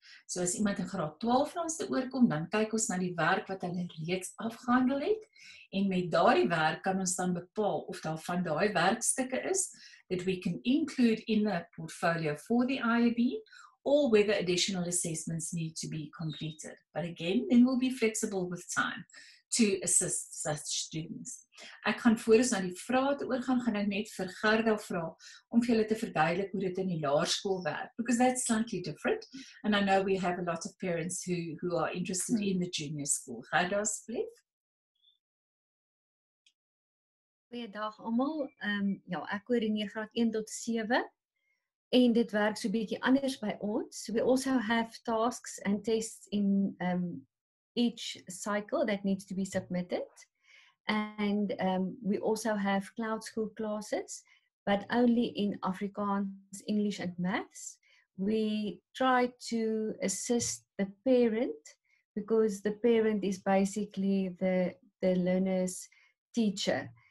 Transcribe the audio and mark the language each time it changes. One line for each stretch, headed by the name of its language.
English: So as iemand in graad 12 ons te oorkom, dan kyk ons na die werk wat hulle reeds afgehandel het en met daardie werk kan ons dan bepaal of daar van daai werkstukke is that we can include in the portfolio for the IEB or whether additional assessments need to be completed. But again, then we'll be flexible with time to assist such students.
Afrikaans: Ek gaan voor ons na die vrae te oorgaan, gaan ek net vir Gerda vra om vir julle te verduidelik hoe dit in die laerskool werk,
English: because that's slightly different. And I know we have a lot of parents who are interested in the junior school.
Afrikaans: Gerda, asseblief. Goeiedag almal. Ek hoor in graad 1 tot 7 en dit werk so 'n bietjie anders by ons.
English: We also have tasks and tests in each cycle that needs to be submitted, and we also have cloud school classes, but only in Afrikaans, English and maths, we try to assist the parent, because the parent is basically the learner's teacher.